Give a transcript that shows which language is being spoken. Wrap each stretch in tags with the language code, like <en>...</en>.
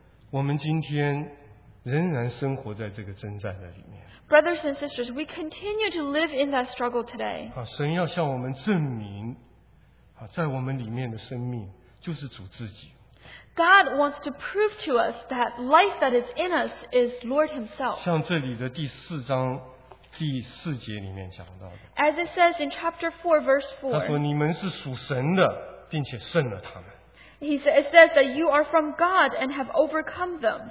<zh>弟兄姊妹们, 仍然生活在这个征战的里面。</zh> <en>Brothers and sisters, we continue to live in that struggle today.</en> <zh>神要向我们证明, 在我们里面的生命, 就是主自己。</zh> <en>God wants to prove to us that life that is in us is Lord Himself.</en> <zh>像这里的第四章第四节里面讲到的。</zh> <en>As it says in chapter 4, verse 4,</en> <zh>他说你们是属神的, 并且胜了他们。</zh> <en>He says, it says that you are from God and have overcome them.</en>